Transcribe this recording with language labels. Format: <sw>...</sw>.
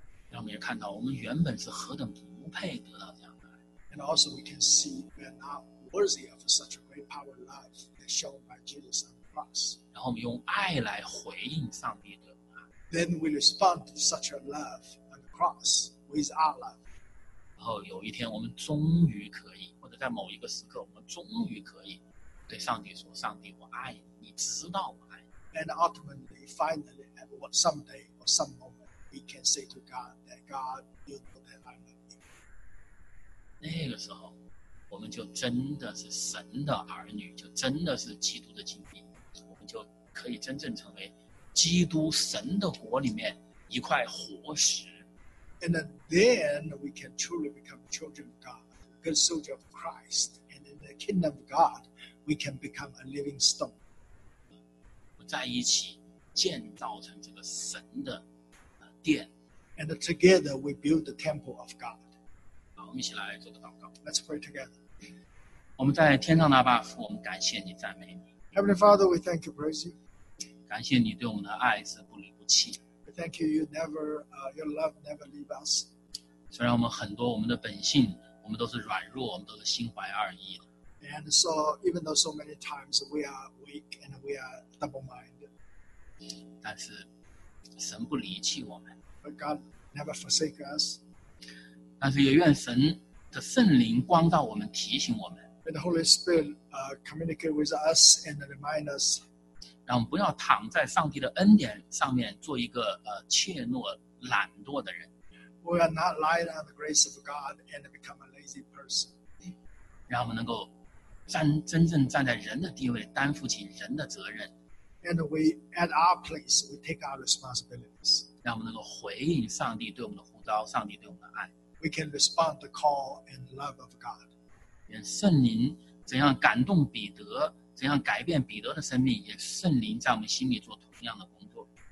<zh>让我们也看到，我们原本是何等不配得到这样的爱。</zh> <en>And also, we can see we are not worthy of such a great power of love that shown by Jesus on the cross.</en> <zh>然后我们用爱来回应上帝的爱。</zh> <en>Then we respond to such a love on the cross with our love.</en> <zh>然后有一天，我们终于可以，或者在某一个时刻，我们终于可以对上帝说：“上帝，我爱你，你知道我爱你。</zh> <en>”And ultimately, finally, at what someday or some moment. We can say to God that God, you know that I love you.</en> <zh>那个时候，我们就真的是神的儿女，就真的是基督的精兵，我们就可以真正成为基督神的国里面一块活石。</zh> <en>And then we can truly become children of God, good soldier of Christ, and in the kingdom of God, we can become a living stone.</en> <zh>在一起建造成这个神的。殿</zh> <en>and together we build the temple of God.</en> <zh>好，我们一起来做个祷告。</zh> <en>Let's pray together.</en> <zh>我们在天上的阿爸父，我们感谢你，赞美你。</zh> <en>Heavenly Father, we thank you, praise you.</en> <zh>感谢你对我们的爱是不离不弃。</zh> <en>We thank you, you never, your love never leave us.</en> <zh>虽然我们很多我们的本性，我们都是软弱，我们都是心怀二意的。</zh> <en>And so, even though so many times we are weak and we are double-minded,</en> <zh>但是神不离弃我们。</zh> <en>But God never forsake us.</en> <zh>但是也愿神的圣灵光照我们，提醒我们。</zh> <en>May the Holy Spirit communicate with us and remind us.</en> <zh>让我们不要躺在上帝的恩典上面做一个怯懦懒惰的人。</zh> <en>We are not lying on the grace of God and become a lazy person.</en> <zh>让我们能够真正站在人的地位，担负起人的责任。</zh> <en>And we, at our place, we take our responsibilities.</en> <zh>让我们能够回应上帝对我们的呼召，上帝对我们的爱。</zh> <en>We can respond to the call and love of God.</en> <zh>愿圣灵怎样感动彼得，怎样改变彼得的生命，也圣灵在我们心里做同样的工作。</zh>